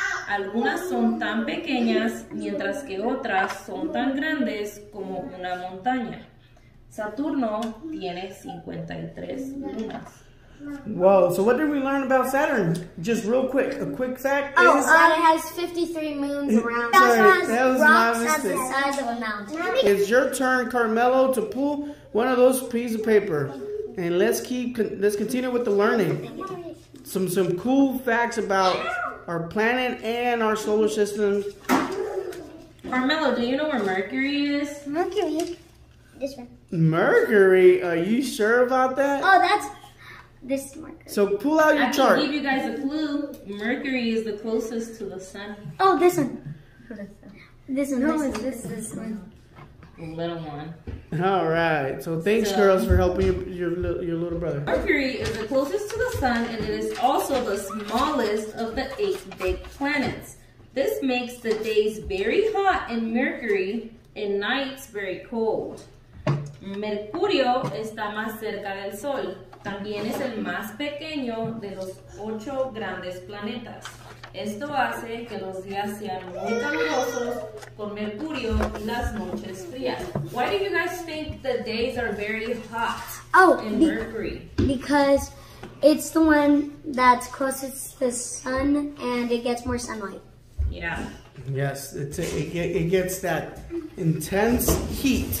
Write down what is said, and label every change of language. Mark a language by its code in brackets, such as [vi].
[es] Algunas son tan pequeñas, mientras que otras son tan grandes como una montaña. Saturno tiene 53 lunas. [en] Whoa, so what did we learn about Saturn? Just real quick, a quick fact. Oh, it has 53 moons around. That's right. That was rocks my mistake. That's the size of a mountain. It's your turn, Carmelo, to pull one of those pieces of paper. And let's continue with the learning. Some cool facts about our planet and our solar system. Carmelo, do you know where Mercury is? Mercury? This one. Mercury? Are you sure about that? Oh, that's... this marker. So pull out your chart. I can give you guys a clue. Mercury is the closest to the sun. Oh, this one. This one. Little one. All right. So thanks, girls, for helping your little brother. Mercury is the closest to the sun, and it is also the smallest of the 8 big planets. This makes the days very hot in Mercury and nights very cold. [es] Mercurio está más cerca del sol. También es el más pequeño de los 8 grandes planetas. Esto hace que los días sean muy calurosos con Mercurio y las noches frías. [en] Why do you guys think the days are very hot in Mercury? Because it's the one that's closest to the sun and it gets more sunlight. Yeah. Yes, it gets that intense heat.